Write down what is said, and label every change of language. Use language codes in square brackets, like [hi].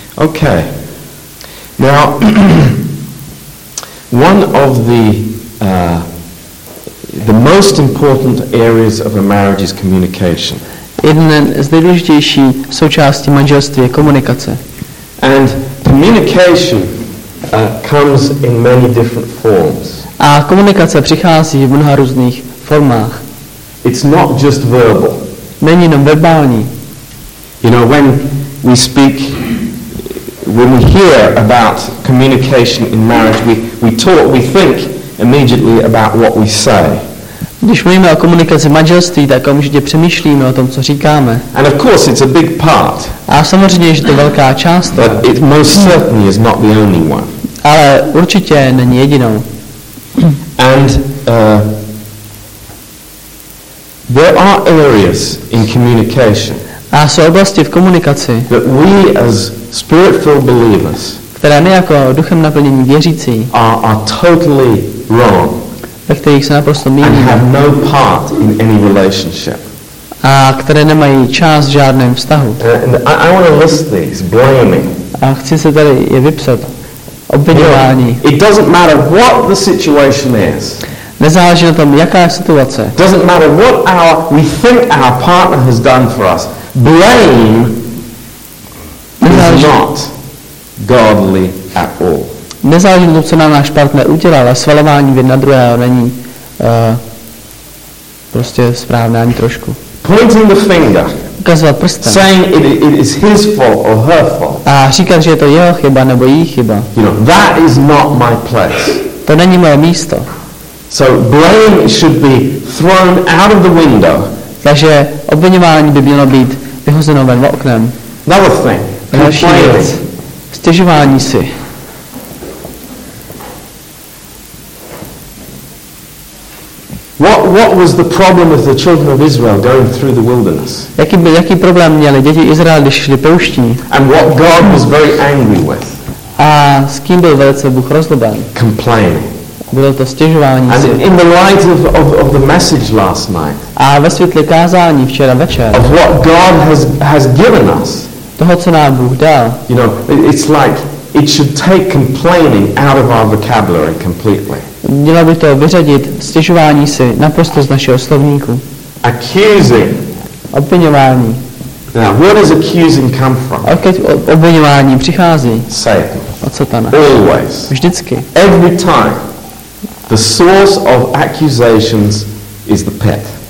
[en] Okay. Now, one of the most important areas of a marriage is communication. [cs] Jedna z nejdůležitějších součástí manželství je komunikace. [en] And communication comes in many different forms. [cs] A komunikace přichází v mnoha různých formách. [en] It's not just verbal. [cs] Není jenom verbální. [en] You know, when we speak, when we hear about communication in marriage, we think immediately about what we say. [cs] Když mluvíme o komunikaci manželství, tak okamžitě přemýšlíme o tom, co říkáme. [en] And of course it's a big part. [cs] A samozřejmě, že to je velká část. [en] But it most certainly is not the only one. [cs] Ale určitě není jedinou. [en] And there are areas in communication. [cs] A jsou oblasti v komunikaci, [en] that we as spirit-filled believers, [cs] které my jako duchem naplnění věřící, [en] are totally wrong, [cs] ve kterých se naprosto mýlíme, [en] and have no part in any relationship. [cs] A které nemají část v žádném vztahu. [en] I want to list these, blaming. [cs] A chci se tady je vypsat, obviňování. [en] No, it doesn't matter what the situation is. [cs] Nezáleží na tom, jaká je situace. [en] Doesn't matter what we think our partner has done for us. Blame is not godly at all. [cs] Nezáleží na tom, co nám náš partner udělal, ale svalování jedna druhého není prostě správné ani trošku. [en] Pointing the finger. [cs] Ukazovat prstem. [en] Saying it is his fault or her fault. [cs] A říkat, že je to jeho chyba nebo jí chyba. [en] You know, that is not my place. [cs] To není moje místo. [en] So blame should be thrown out of the window. [cs] Takže obviňování by mělo být vyhozeno ven oknem. [en] Another thing, complaining. [cs] Stěžování si. [en] What was the problem with the children of Israel going through the wilderness? [cs] Jaký problém měli děti Izraela, když šli pouští? [en] And what God was very angry with? [cs] A s kým byl velice Bůh rozlobán? [en] Complaining. [cs] Bylo to stěžování. [en] And in the light of the message last night. [cs] A ve světle kázání včera večer. [en] Of what God has given us. [cs] Toho, co nám Bůh dal. [en] You know, it's like it should take complaining out of our vocabulary completely. [cs] Mělo by to vyřadit stěžování si naprosto z našeho slovníku. [en] Accusing. [cs] Obviňování. [en] Now, where does accusing come from? [cs] Odkud obviňování přichází? [en] Satan. [cs] Od Satana. [en] Always. [cs] Vždycky. [en] Every time. The source of accusations is the pit.